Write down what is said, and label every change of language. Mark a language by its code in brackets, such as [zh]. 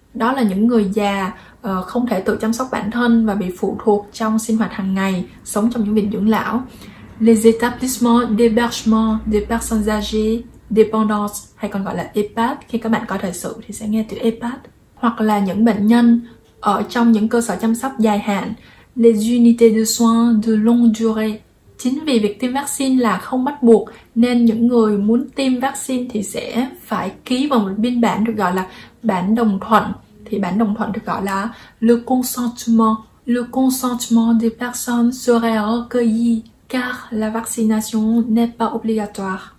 [vi] Đó là những người già, không thể tự chăm sóc bản thân và bị phụ thuộc trong sinh hoạt hàng ngày, sống trong những viện dưỡng lão. [fr] Les établissements d'hébergement des personnes âgées dépendantes, [vi] hay còn gọi là EHPAD, khi các bạn có thời sự thì sẽ nghe từ EHPAD. Hoặc là những bệnh nhân ở trong những cơ sở chăm sóc dài hạn. [fr] Les unités de soins de longue durée. [vi] Chính vì việc tiêm vaccine là không bắt buộc nên những người muốn tiêm vaccine thì sẽ phải ký vào một biên bản được gọi là bản đồng thuận. Thì bản đồng thuận được gọi là [fr] le consentement des personnes serait recueilli car la vaccination n'est pas obligatoire.